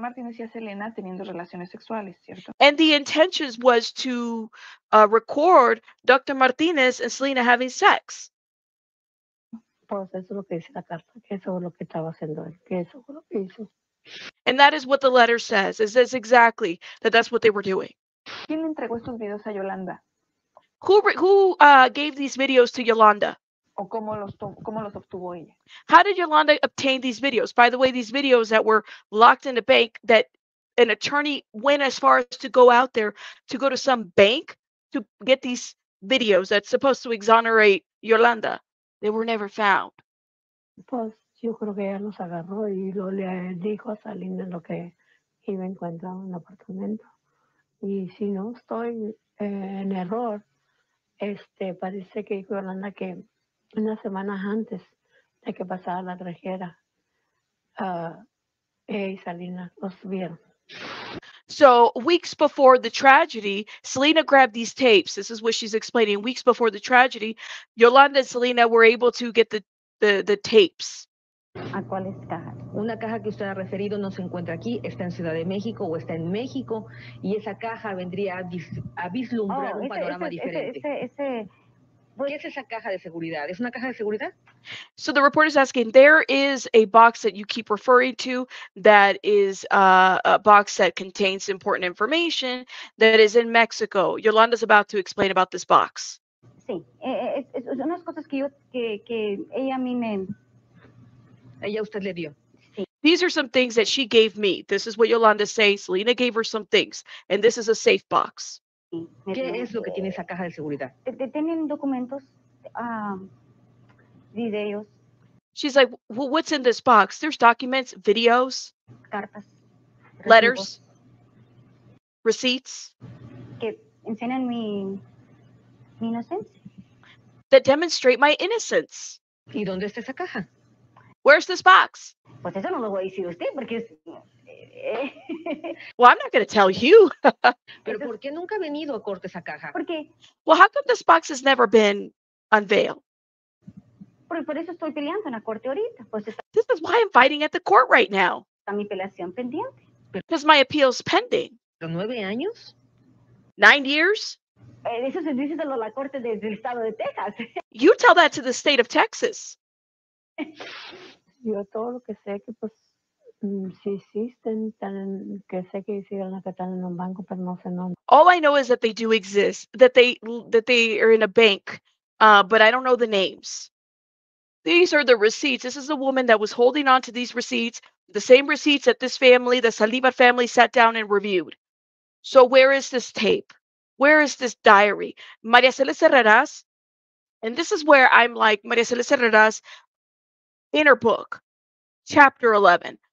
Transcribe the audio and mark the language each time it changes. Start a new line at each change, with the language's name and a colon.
Spanish: Martinez y a Selena teniendo relaciones sexuales, ¿cierto?
English: And the intention was to record Dr. Martinez and Selena having sex.
Spanish: Pues eso es lo que dice la carta, que eso es lo que estaba haciendo él, que eso es lo que hizo.
English: And that is what the letter says. It says exactly that that's what they were doing.
Spanish: ¿Quién le entregó estos videos a Yolanda?
English: Who gave these videos to Yolanda?
Spanish: O cómo los obtuvo ella.
English: How did Yolanda obtain these videos? By the way, these videos that were locked in the bank, that an attorney went as far as to go out there to go to some bank to get these videos that's supposed to exonerate Yolanda. They were never found.
Spanish: Pues yo creo que ella los agarró y lo le dijo a Selena lo que iba a encontrar en el apartamento. Y si no estoy en error, parece que dijo Yolanda que unas semanas antes de que pasara la tragedia, Selena los vieron.
English: So weeks before the tragedy, Selena grabbed these tapes. This is what she's explaining. Weeks before the tragedy, Yolanda and Selena were able to get the tapes.
Spanish: ¿A cuáles cajas? Una caja que usted ha referido no se encuentra aquí, está en Ciudad de México o está en México, y esa caja vendría a vislumbrar un panorama diferente. ¿Qué es esa caja de seguridad? ¿Es una caja de seguridad?
English: So the reporter is asking, there is a box that you keep referring to that is a box that contains important information that is in Mexico. Yolanda's about to explain about this box.
Spanish: Sí, son unas cosas que ella a mí me... Ella usted le dio. Sí.
English: These are some things that she gave me. This is what Yolanda says. Selena gave her some things, and this is a safe box.
Spanish: ¿Qué es lo que tiene esa caja de seguridad? Tienen documentos, videos.
English: She's like, well, what's in this box? There's documents, videos,
Spanish: cartas,
English: letters, receipts.
Spanish: Que enseñan mi, mi inocencia.
English: That demonstrate my innocence.
Spanish: ¿Y dónde está esa caja?
English: Where's this box?
Spanish: Pues eso no lo voy a decir usted porque es...
English: Well, I'm not going to tell you.
Spanish: Pero ¿por qué nunca ha venido a corte esa caja? ¿Por qué?
English: Well, how come this box has never been unveiled?
Spanish: Por eso estoy peleando en la corte ahorita. Pues está...
English: This is why I'm fighting at the court right now.
Spanish: Está mi peleación pendiente.
English: Because my appeal is pending.
Spanish: ¿De 9 años?
English: 9 years?
Spanish: Eso se dice de la corte del estado de Texas.
English: You tell that to the state of Texas.
Spanish: Yo todo lo que sé que pues... Sí, sí, están, que sé que hicieron que están en un banco, pero no sé dónde.
English: All I know is that they do exist, that they are in a bank, but I don't know the names. These are the receipts. This is the woman that was holding on to these receipts, the same receipts that this family, the Saldivar family, sat down and reviewed. So where is this tape? Where is this diary? María Celeste Herreras, and this is where I'm like, María Celeste Herreras, in her book, chapter 11.